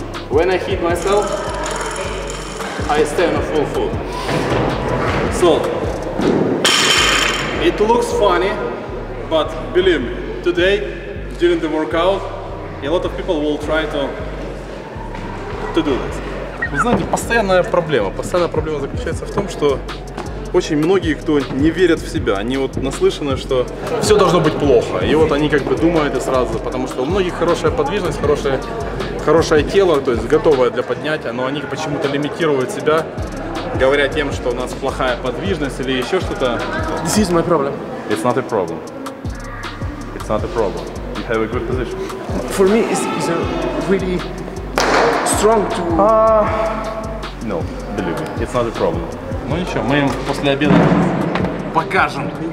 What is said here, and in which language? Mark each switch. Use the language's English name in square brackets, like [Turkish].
[English] When I hit myself, I stay on a full foot. So it looks funny, but believe me, today during the workout a lot of people will try to do this. [Russian] Вы знаете, постоянная проблема. Постоянная проблема заключается в том, что очень многие, кто не верят в себя, они вот наслышаны, что все должно быть плохо. И вот они как бы думают и сразу, потому что у многих хорошая подвижность, хорошее тело, то есть готовое для поднятия, но они почему-то лимитируют себя, говоря тем, что у нас плохая подвижность или еще что-то. [English] This is my problem. It's not a problem. It's not a problem. You have a good position. For me, it's a really strong to... No, believe me, it's not a problem. [Russian] Ну ничего, мы им после обеда покажем.